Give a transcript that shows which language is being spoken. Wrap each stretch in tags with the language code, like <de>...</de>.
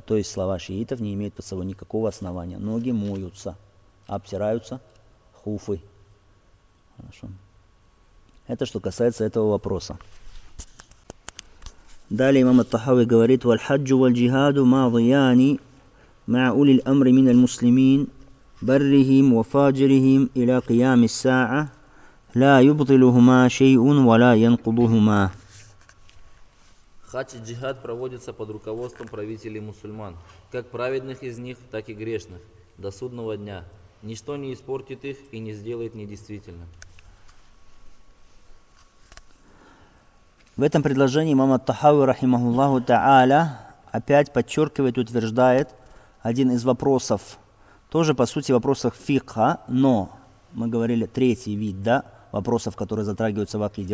<ru>То есть слова шиитов не имеют под собой никакого основания. Ноги моются. Обтираются хуфы. Хорошо. Это что касается этого вопроса. Далее имам ат-Тахави говорит:</ru> <ar>«Валь-хаджу валь-джихаду ма-дияни مع أولي الأمر من المسلمين برهم وفاجرهم إلى قيام الساعة لا يبطلهما شيء ولا ينقضهما.</ar> <ru>Хадж и джихад проводится под руководством правителей мусульман, как праведных из них, так и грешных, до судного дня. Ничто не испортит их и не сделает недействительным. В этом предложении имам ат-Тахави, рахимахуллаху та'аля, опять подчеркивает и утверждает один из вопросов, тоже по сути вопросов фикха, но мы говорили третий вид, да, вопросов, которые затрагиваются в акиде.</ru>